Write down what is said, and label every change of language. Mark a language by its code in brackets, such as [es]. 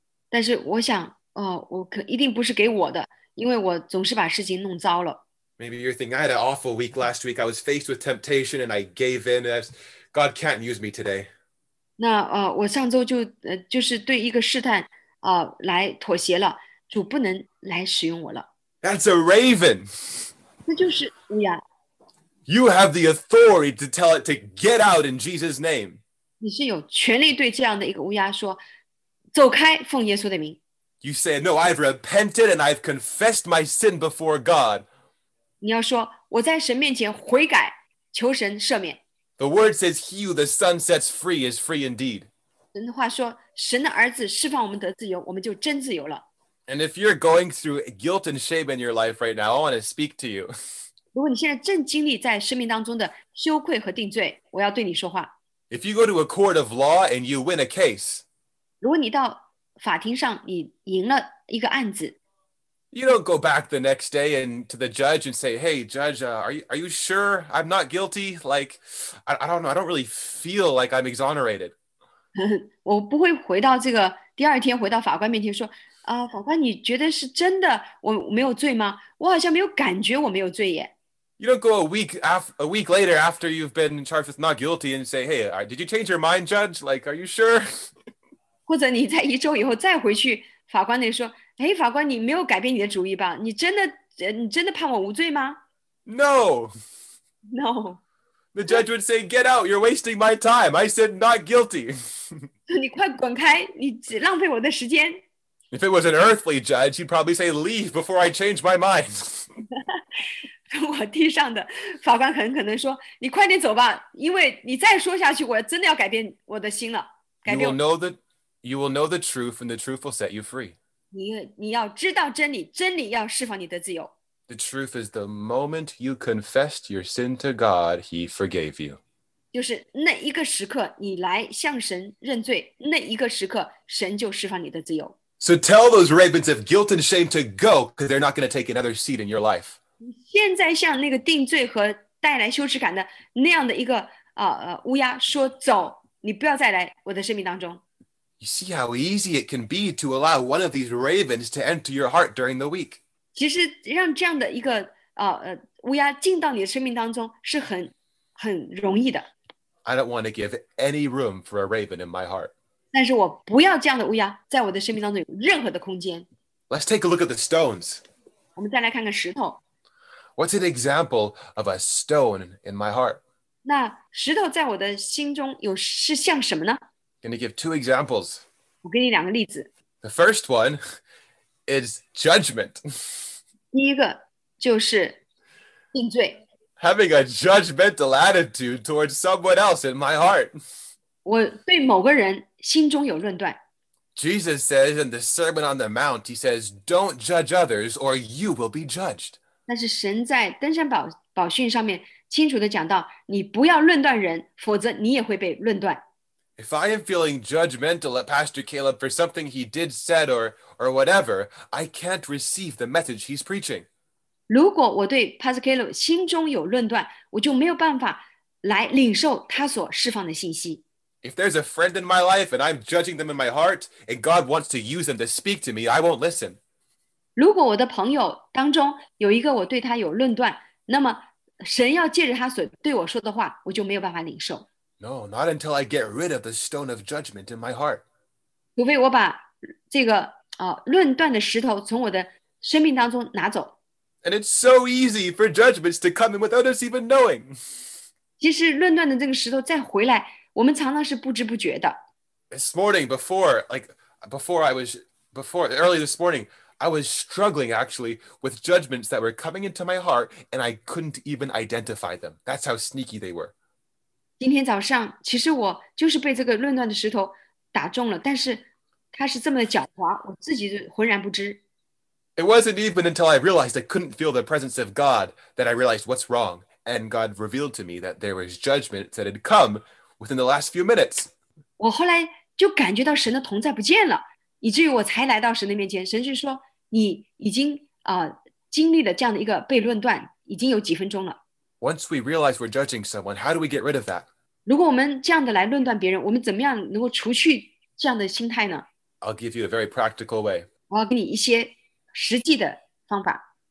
[zh] 但是我想，一定不是给我的，因为我总是把事情弄糟了。 [en] Maybe you're thinking, I had an awful week last week. I was faced with temptation and I gave in. God can't use me today. [zh] 那我上周就是对一个试探来妥协了，主不能来使用我了。 [en] That's a raven. [zh] 那就是乌鸦。 [en] You have the authority to tell it to get out in Jesus' name. [zh] 你是有权利对这样的一个乌鸦说，走开，奉耶稣的名。 [en] You say, no, I've repented and I've confessed my sin before God. [zh] 你要说，我在神面前悔改，求神赦免。 [en] The word says, he who the Son sets free is free indeed. [zh] 神的话说，神的儿子释放我们得自由，我们就真自由了。 [en] And if you're going through guilt and shame in your life right now, I want to speak to you. [zh] 如果你现在正经历在生命当中的羞愧和定罪，我要对你说话。 [en] If you go to a court of law and you win a case, [zh] 如果你到法庭上你赢了一个案子， [en] You don't go back the next day and to the judge and say, hey, judge, are you sure I'm not guilty? Like, I don't know. I don't really feel like I'm exonerated. [zh] 我不会回到这个第二天回到法官面前说啊，法官，你觉得是真的我没有罪吗？我好像没有感觉我没有罪耶。 [en] You don't go a week later after you've been charged with not guilty and say, hey, did you change your mind, judge? Like, are you sure? [zh] 或者你在一周以后再回去法官那说，哎，法官，你没有改变你的主意吧？你真的判我无罪吗？ [en] No. No. The judge would say, get out, you're wasting my time. I said not guilty. [zh] 你快滚开，你浪费我的时间。 [en] If it was an earthly judge, he'd probably say, leave before I change my mind. [zh] 我地上的法官很可能说，你快点走吧，因为你再说下去，我真的要改变我的心了。 [en] You will know the truth, and the truth will set you free. [zh] 你要知道真理，真理要释放你的自由。 [en] The truth is the moment you confessed your sin to God, he forgave you. [zh] 就是那一个时刻你来向神认罪，那一个时刻神就释放你的自由。 [en] So tell those ravens of guilt and shame to go, because they're not going to take another seat in your life. [zh] 现在像那个定罪和带来羞耻感的那样的一个乌鸦说走，你不要再来我的生命当中。 [en] You see how easy it can be to allow one of these ravens to enter your heart during the week. [zh] 其实让这样的一个乌鸦进到你的生命当中是很容易的。 [en] I don't want to give any room for a raven in my heart. [zh] 但是我不要这样的乌鸦在我的生命当中有任何的空间。 [en] Let's take a look at the stones. [zh] 我们再来看看石头。 [en] What's an example of a stone in my heart? [zh] 那石头在我的心中是像什么呢？ [en] Going to give two examples. [zh] 我给你两个例子。 [en] The first one is judgment. [zh] 第一个就是定罪。 [en] Having a judgmental attitude towards someone else in my heart. [zh] 我对某个人心中有论断。 [en] Jesus says in the Sermon on the Mount, he says, don't judge others or you will be judged. [zh] 但是神在登山宝训上面清楚地讲到，你不要论断人，否则你也会被论断。 [en] If I am feeling judgmental at Pastor Caleb for something he did, said, or whatever, I can't receive the message he's preaching. [zh] 如果我对 Pastor Caleb 心中有论断，我就没有办法来领受他所释放的信息。 [en] If there's a friend in my life and I'm judging them in my heart, and God wants to use them to speak to me, I won't listen. [zh] 如果我的朋友当中有一个我对他有论断，那么神要借着他所对我说的话，我就没有办法领受。 [en] No, not until I get rid of the stone of judgment in my heart. [zh] 除非我把这个论断的石头从我的生命当中拿走。 [en] And it's so easy for judgments to come in without us even knowing. [zh] 其实论断的这个石头再回来，我们常常是不知不觉的。 [en] This morning, early this morning, I was struggling actually with judgments that were coming into my heart and I couldn't even identify them. That's how sneaky they were. [zh] 今天早上其实我就是被这个论断的石头打中了，但是它是这么的狡猾，我自己就浑然不知。 [en] It wasn't even until I realized I couldn't feel the presence of God that I realized what's wrong, and God revealed to me that there was judgment that had come within the last few minutes. [zh] 我后来就感觉到神的同在不见了，以至于我才来到神的面前，神就说你已经经历了这样的一个被论断已经有几分钟了。 [en] Once we realize we're judging someone, how do we get rid of that? [zh] 如果我们这样的来论断别人，我们怎么样能够除去这样的心态呢？ [en] I'll give you a very practical way. [zh] 我要给你一些实际的方法。